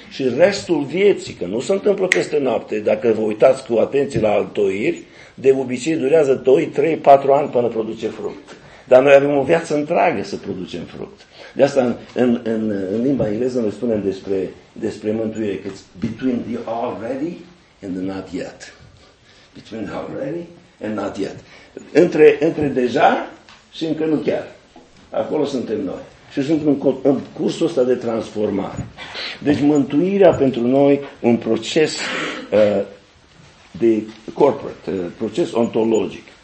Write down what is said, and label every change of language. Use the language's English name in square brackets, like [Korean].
[Romanian] Și restul vieții, că nu se întâmplă peste noapte, dacă vă uitați cu atenție la altoiri, de obicei durează 2, 3, 4 ani până produce fruct. Dar noi avem o viață întreagă să producem fruct. De asta în limba engleză noi spunem despre mântuire, că [English] between the already and not yet. Between the already and not yet. [Romanian] Între deja și încă nu chiar. Acolo suntem noi. Și suntem în cursul ăsta de transformare. Deci mântuirea pentru noi un proces de corporate, proces ontologic.